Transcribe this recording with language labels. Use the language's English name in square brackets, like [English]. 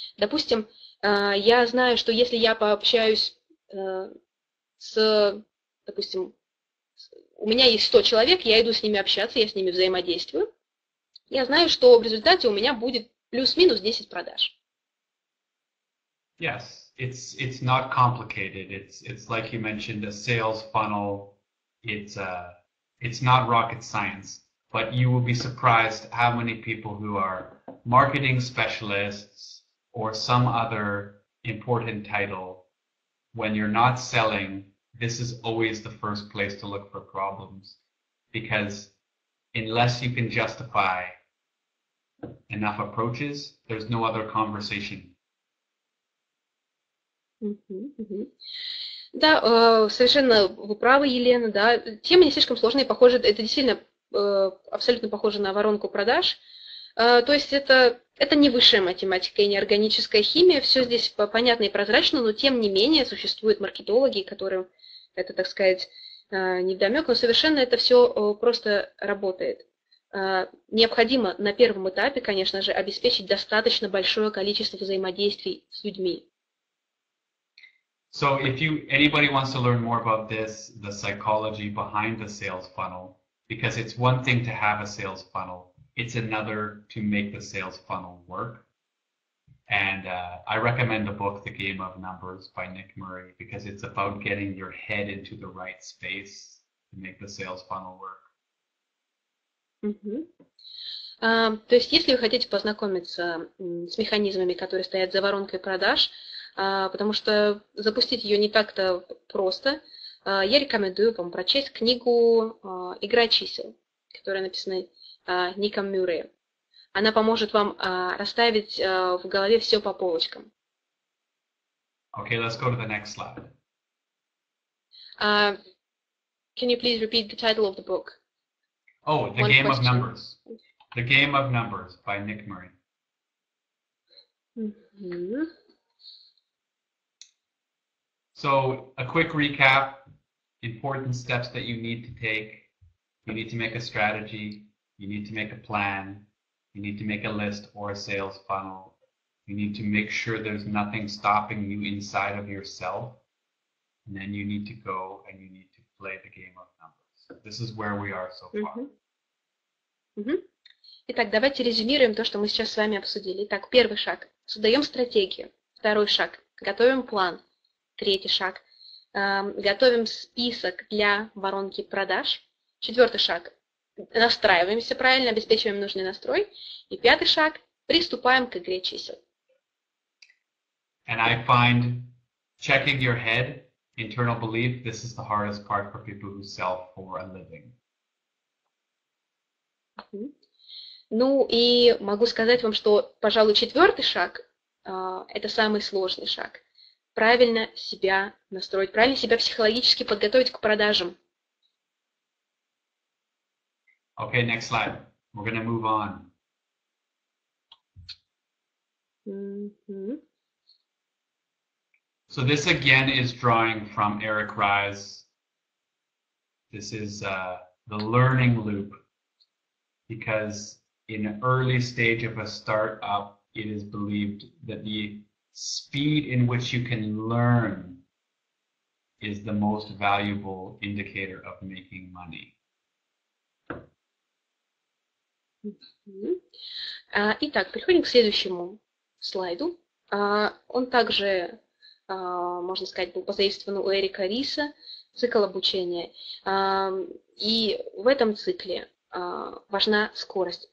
[Russian] Допустим, я знаю, что если я пообщаюсь с, допустим, у меня есть 100 человек, я иду с ними общаться, я с ними взаимодействую, я знаю, что в результате у меня будет плюс-минус 10 продаж. [English] Yes, it's not complicated. It's like you mentioned, a sales funnel. It's not rocket science. But you will be surprised how many people who are marketing specialists or some other important title, when you're not selling, this is always the first place to look for problems. Because unless you can justify enough approaches, there's no other conversation. [Russian] Да, совершенно вы правы, Елена, да. Тема не слишком сложная, похоже, это действительно абсолютно похоже на воронку продаж. То есть это не высшая математика и не органическая химия. Все здесь понятно и прозрачно, но тем не менее существуют маркетологи, которым это, так сказать, невдомек, но совершенно это все просто работает. Необходимо на первом этапе, конечно же, обеспечить достаточно большое количество взаимодействий с людьми. [English] So if you anybody wants to learn more about this, the psychology behind the sales funnel. Because it's one thing to have a sales funnel, it's another to make the sales funnel work. And I recommend the book, The Game of Numbers by Nick Murray, because it's about getting your head into the right space to make the sales funnel work. [Russian] То есть, если вы хотите познакомиться с механизмами, которые стоят за воронкой продаж, потому что запустить ее не так-то просто, я рекомендую вам прочесть книгу «Игра чисел», которая написана Ником Мюрреем. Она поможет вам расставить в голове все по полочкам. [English] Okay, let's go to the next slide. Can you please repeat the title of the book? Oh, The One Game of question. Numbers. The Game of Numbers by Nick Murray. Mm-hmm. So, a quick recap, important steps that you need to take. You need to make a strategy, you need to make a plan, you need to make a list or a sales funnel. You need to make sure there's nothing stopping you inside of yourself. And then you need to go and you need to play the game of numbers. This is where we are so far. Mm-hmm. Mm-hmm. [Russian] Итак, давайте резюмируем то, что мы сейчас с вами обсудили. Итак, первый шаг. Создаем стратегию. Второй шаг. Готовим план. Третий шаг. Готовим список для воронки продаж. Четвертый шаг. Настраиваемся правильно, обеспечиваем нужный настрой. И пятый шаг. Приступаем к игре чисел. [English] And I find checking your head, internal belief, this is the hardest part for people who sell for a living. [Russian] Ну и могу сказать вам, что, пожалуй, четвертый шаг – это самый сложный шаг. Правильно себя настроить, правильно себя психологически подготовить к продажам. [English] Okay, next slide. We're going to move on. Mm-hmm. So this again is drawing from Eric Ries. This is the learning loop, because in an early stage of a startup, it is believed that the speed in which you can learn is the most valuable indicator of making money. [Russian] Итак, переходим к следующему слайду. Он также, можно сказать, был позаимствован у Эрика Риса, цикл обучения. И в этом цикле важна скорость.